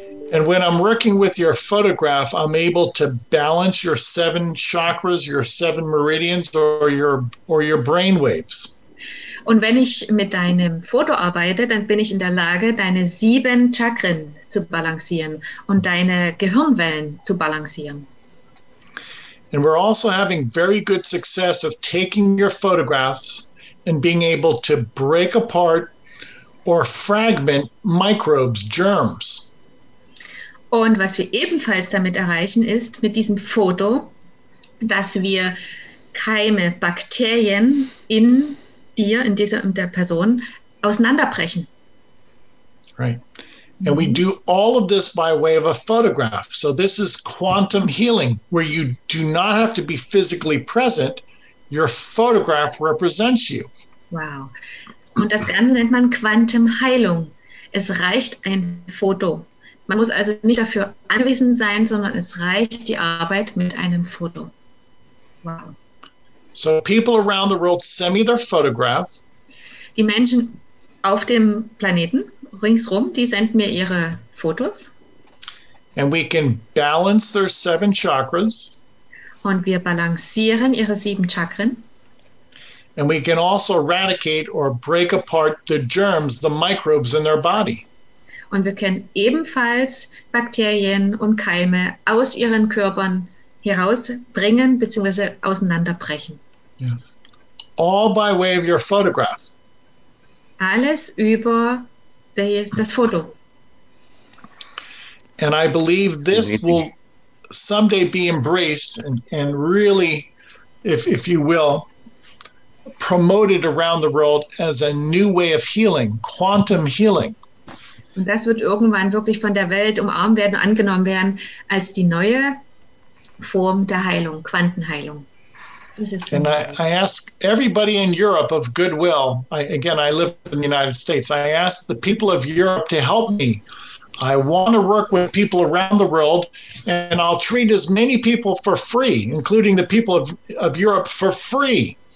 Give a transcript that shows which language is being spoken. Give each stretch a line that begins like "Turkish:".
English: And when I'm working with your photograph, I'm able to balance your seven chakras, your seven meridians or your brain waves.
German: Und wenn ich mit deinem Foto arbeite, dann bin ich in der Lage, deine sieben Chakren zu balancieren und deine Gehirnwellen zu balancieren.
English: And we're also having very good success of taking your photographs and being able to break apart or fragment microbes, germs.
German: Und was wir ebenfalls damit erreichen, ist mit diesem Foto, dass wir Keime, Bakterien in dir, in dieser, in der Person auseinanderbrechen.
English: Right. And we do all of this by way of a photograph. So this is quantum healing, where you do not have to be physically present. Your photograph represents you. Wow.
German: Und das Ganze nennt man Quantum Heilung. Es reicht ein Foto. Man muss also nicht dafür anwesend sein, sondern es reicht die Arbeit mit einem Foto.
English: Wow. So people around the world send me their photograph.
German: Die Menschen auf dem Planeten ringsrum, die senden mir ihre Fotos.
English: And we can balance their seven chakras.
German: Und wir balancieren ihre sieben Chakren.
English: And we can also eradicate or break apart the germs, the microbes in their body.
German: Und wir können ebenfalls Bakterien und Keime aus ihren Körpern herausbringen bzw. auseinanderbrechen.
English: Yes. All by way of your photograph.
German: Alles über das Foto.
English: And I believe this will someday be embraced and really, if you will, promoted around the world as a new way of healing, quantum healing.
German: Und das wird irgendwann wirklich von der Welt umarmt werden, angenommen werden als die neue Form der Heilung, Quantenheilung.
English: And I ask everybody in Europe of goodwill. I live in the United States. I ask the people of Europe to help me. I want to work with people around the world, and I'll treat as many people for free, including the people of Europe for free.